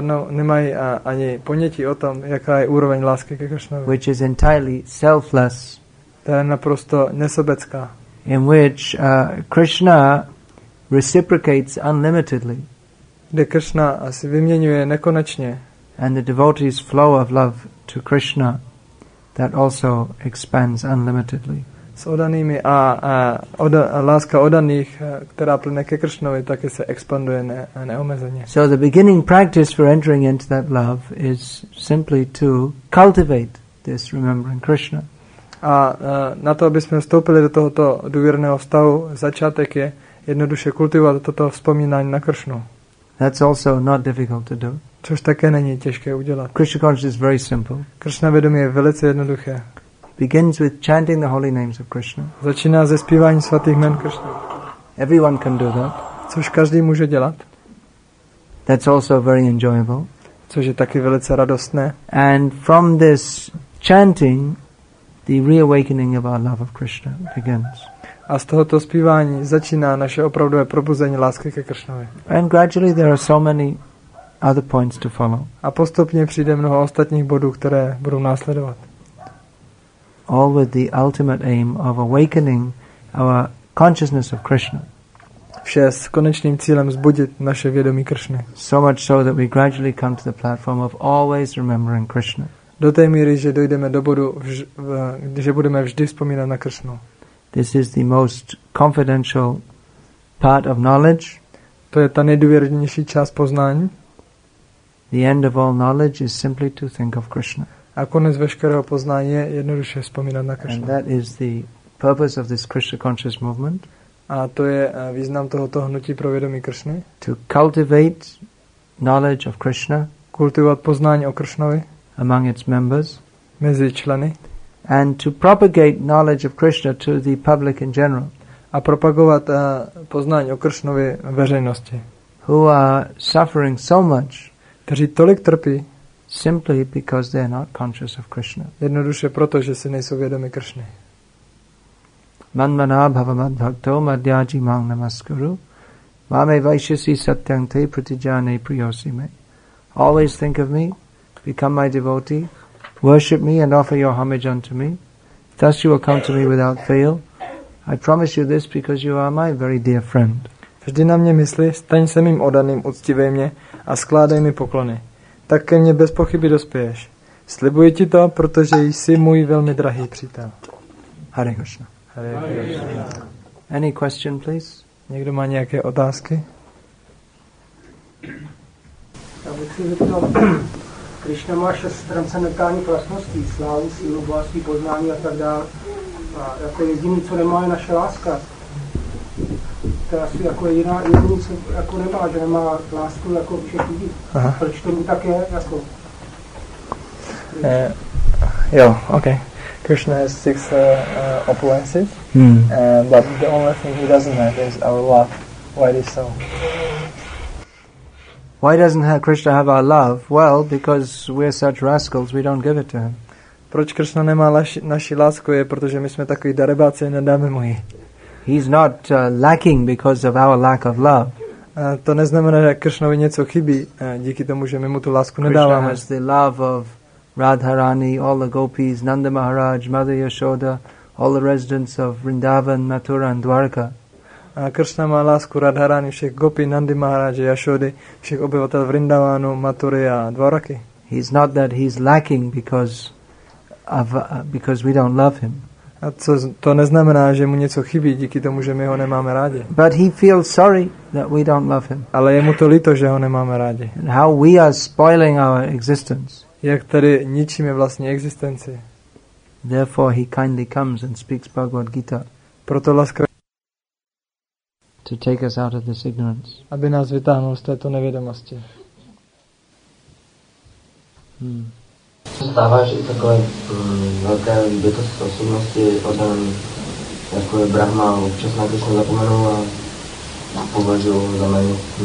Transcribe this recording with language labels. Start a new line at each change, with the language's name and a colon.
Czech: Nemají ani ponětí o tom, jaká je úroveň lásky ke Krishnovi.
English: Which is entirely selfless.
Czech: To je naprosto nesobecká.
English: In which Krishna reciprocates unlimitedly.
Czech: Kde Krishna asi vyměňuje nekonečně.
English: And the devotee's flow of love to Krishna that also expands unlimitedly.
Czech: S odanými a láska odaných, která plyne ke Krishnovi, také se expanduje neomezeně.
English: So the beginning practice for entering into that love is simply to cultivate this remembering Krishna.
Czech: A na to, aby jsme vstoupili do tohoto důvěrného vztahu, začátek je jednoduše kultivovat toto vzpomínání na Krishnu.
English: That's also not difficult to do.
Czech: Což také není těžké udělat.
English: Krishna consciousness is very simple.
Czech: Krishna vědomí je velice jednoduché.
English: Begins with chanting the holy names of Krishna.
Czech: Začíná se zpíváním svatých jmen Krishna.
English: Everyone can do that.
Czech: Což každý může dělat.
English: That's also very enjoyable.
Czech: Což je taky velice radostné.
English: And from this chanting, the reawakening of our love of Krishna begins.
Czech: A z tohoto zpívání začíná naše opravdové probuzení lásky ke Krishnovi.
English: And gradually there are so many other points to follow.
Czech: A postupně přijde mnoho ostatních bodů, které budou následovat.
English: All with the ultimate aim of awakening our consciousness of Krishna.
Czech: Vše s konečným cílem zbudit naše vědomí Krishny.
English: So much so that we gradually come to the platform of always remembering Krishna.
Czech: do té míry, že dojdeme do bodu, že budeme vždy vzpomínat na Kršnu.
English: This is the most confidential part of knowledge.
Czech: To je ta nejdůvěrnější část poznání.
English: The end of all knowledge is simply to think of Krishna.
Czech: A konec veškerého poznání je jednoduše vzpomínat na Kršnu.
English: And that is the purpose of this Krishna conscious movement.
Czech: A to je význam tohoto hnutí pro vědomí Kršny.
English: To cultivate knowledge of Krishna.
Czech: Kultivovat poznání o Kršnovi.
English: Among its members.
Czech: Mezi členy.
English: And to propagate knowledge of Krishna to the public in general.
Czech: A propagovat poznání o Kršnovi veřejnosti.
English: Who are suffering so much.
Czech: Kteří tolik trpí.
English: Simply because they are not conscious of Krishna.
Czech: Jednoduše proto, že si nejsou vědomi Kršny.
Sanskrit: Manmana bhavamad bhakto madhyaji mang namaskuru mame vaishyasi satyang te pratijane priyosi me.
English: Always think of me, become my devotee, worship me and offer your homage unto me. Thus you will come to me without fail. I promise you this because you are my very dear friend.
Czech: Vždy na mě mysli, staň se mým odaným, uctívej mě a skládej mi poklony. Tak ke mně bez pochyby dospěješ. Slibuji ti to, protože jsi můj velmi drahý přítel.
English: Hare Krishna. Any question, please?
Czech: Někdo má nějaké otázky? Já bych si zeptal, Krišna má 6 transcendentální vlastností, slávu, sílu, bohatství, poznání a tak dále. A jako jediné, co nemá, je naše láska. To asi jako jediná, jediné, co jako nemá, že nemá lásku jako všech lidí. Proč to mu tak je? Jako?
English: Okay. Krishna has 6 opulences, but the only thing he doesn't have is our love. Why is so? Why doesn't Krishna have our love? Well, because we're such rascals, we don't give it to him.
Czech: Proč Krishna nemá naši lásku je, protože my jsme takový darebáci, nedáme mu ji.
English: He's not lacking because of our lack of love.
Czech: To neznamená, že Krishnovi něco chybí, díky tomu, že my mu tu lásku nedáváme.
English: Krishna has the love of Radharani, all the gopis, Nanda Maharaj, Mother Yashoda, all the residents of Vrindavan, Mathura and Dwarka.
Czech: A Krishna má lásku Radharani, všech gopi, Nandi Maharaj, Yashodi, všech obyvatel Vrindavanu, Mathury a Dwaraky.
English: He's not that he's lacking because we don't love him.
Czech: A co, to neznamená, že mu něco chybí díky tomu, že my ho nemáme rádi.
English: But he feels sorry that we don't love him.
Czech: Ale je mu to líto, že ho nemáme rádi.
English: And how we are spoiling our existence.
Czech: Jak tady ničíme vlastní existenci.
English: Therefore he kindly comes and speaks Bhagavad Gita.
Czech: Proto láskavě.
English: To take us out of this ignorance.
Czech: Aby nás vytáhnul z této nevědomosti. Stává, že takové velké bytosti osobnosti odan jako je Brahma občas na to se zapomenou a považují za méně.